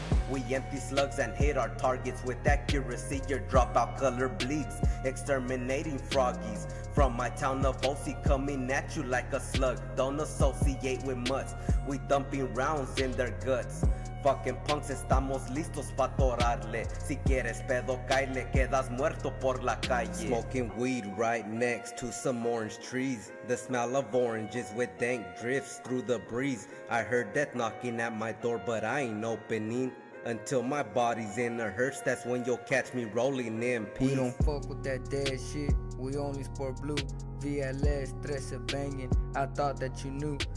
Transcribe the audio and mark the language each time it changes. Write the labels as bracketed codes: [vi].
[en] We empty slugs and hit our targets with accuracy. Your dropout color bleeds, exterminating froggies. From my town of OC, coming at you like a slug. Don't associate with mutts, we dumping rounds in their guts. Fucking punks, [es] estamos listos pa' torarle. Si quieres pedo, caile, quedas muerto por la calle. [en] Smoking weed right next to some orange trees. The smell of oranges with dank drifts through the breeze. I heard death knocking at my door, but I ain't opening. Until my body's in a hearse, that's when you'll catch me rolling in peace. We don't fuck with that dead shit, we only sport blue. VLS, 13 banging, I thought that you knew.